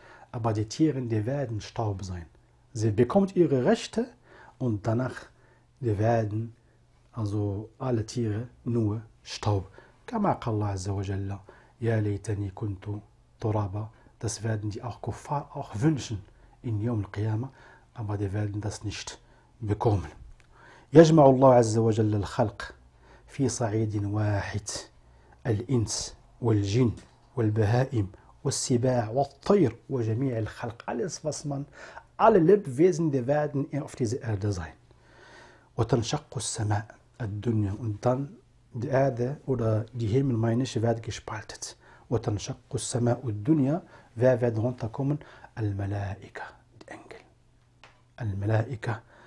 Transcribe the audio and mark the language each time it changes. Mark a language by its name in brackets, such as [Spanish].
[German] Aber die Tiere, die werden Staub sein. Sie bekommt ihre Rechte und danach die werden also alle Tiere nur Staub. [Arabic] Kama qala azza wa jalla. Ya laytani kuntu. [German] Das werden die auch Kuffar auch wünschen in Yom al-Qiyama, aber die werden das nicht bekommen. [Arabic] يجمع الله عز وجل الخلق في صعيد واحد الإنس والجن والبهائم والسباع والطير وجميع الخلق. [German] Alles was man, alle Lebewesen, die werden auf dieser Erde sein. [Arabic] وتنشق السماء الدنيا. [German] Und dann die Erde oder die Himmel, meine ich, werden gespaltet. [Arabic] وَتَنْشَقُّ السَّمَاءُ الدُّنْيَا. [German] Wer wird runterkommen? [Arabic] الْمَلَائِكَ. [German] Die Engel. [Arabic] الْمَلَائِكَ.